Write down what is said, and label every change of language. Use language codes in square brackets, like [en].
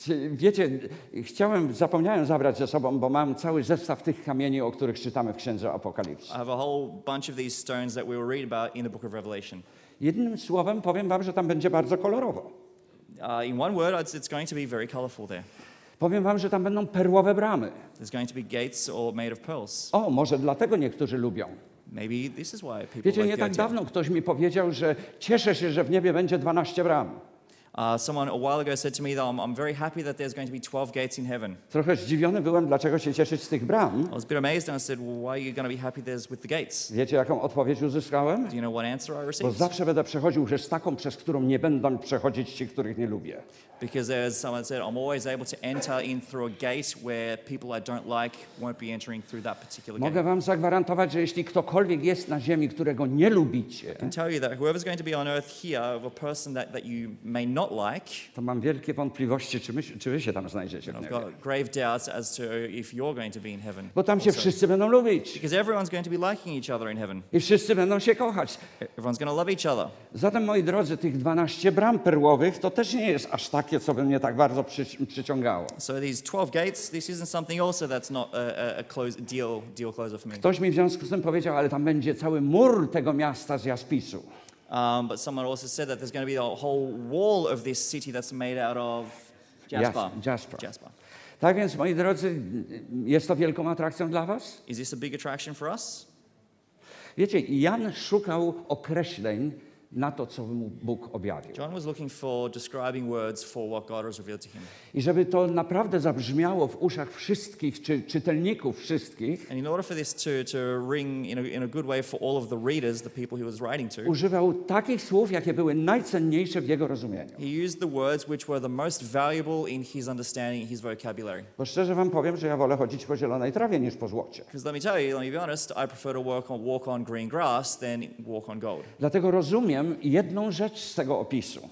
[pl] Wiecie, zapomniałem zabrać ze sobą, bo mam cały zestaw tych kamieni, o których czytamy w Księdze Apokalipsy. [en] I have a whole bunch of these stones that we will read about in the Book of Revelation. [pl] Jednym słowem powiem wam, że tam będzie bardzo kolorowo. [en] In one word, it's going to be very colorful there. [pl] Powiem wam, że tam będą perłowe bramy. [en] There's going to be gates or made of pearls. [pl] O, może dlatego niektórzy lubią. [en] Maybe this is why people [pl] wiecie, [en] like [pl] nie tak dawno ktoś mi powiedział, że cieszę się, że w niebie będzie 12 bram. [en] Someone a while ago said to me that I'm very happy that there's going to be 12 gates in heaven. [pl] Trochę zdziwiony byłem, dlaczego się cieszyć z tych bram. [en] I was a bit amazed and I said, well, why are you going to be happy there's with the gates? [pl] Wiecie, jaką odpowiedź uzyskałem? [en] Do you know what answer I received? [pl] Bo zawsze będę przechodził przez taką, przez którą nie będą przechodzić ci, których nie lubię. [en] Because as someone said, I'm always able to enter in through a gate where people I don't like won't be entering through that particular gate. [pl] Mogę wam zagwarantować, że jeśli ktokolwiek jest na ziemi, którego nie lubicie, [en] I can tell you that whoever's going to be on earth here of a person that you may not like, [pl] to mam wielkie wątpliwości, czy wy się tam znajdziecie. [en] I've got grave doubts as to if you're going to be in heaven. [pl] Bo tam also. Się wszyscy będą lubić. [en] Because everyone's going to be liking each other in heaven. [pl] I wszyscy będą się kochać. [en] Everyone's going to love each other. [pl] Zatem, moi drodzy, tych 12 bram perłowych, to też nie jest aż tak, co by mnie tak bardzo przyciągało. [en] So these 12 gates, this isn't something also that's not a close deal closer for me. [pl] Ktoś mi w związku z tym powiedział, ale tam będzie cały mur tego miasta z jaspisu. [en] But someone also said that there's going to be a whole wall of this city that's made out of jasper. [pl] Tak więc, moi drodzy, jest to wielką atrakcją dla was? [en] Is this a big attraction for us? [pl] Wiecie, Jan szukał określeń na to, co mu Bóg objawił. [en] John was looking for describing words for what God has revealed to him. [pl] I żeby to naprawdę zabrzmiało w uszach wszystkich, czy czytelników wszystkich. [en] And in order for this to ring in a good way for all of the readers, the people he was writing to. [pl] Używał takich słów, jakie były najcenniejsze w jego rozumieniu. [en] He used the words which were the most valuable in his understanding, his vocabulary. [pl] Bo szczerze wam powiem, że ja wolę chodzić po zielonej trawie niż po złocie. [en] Because let me tell you, let me be honest, I prefer to walk on green grass than walk on gold. [pl] Dlatego rozumiem jedną rzecz z tego opisu.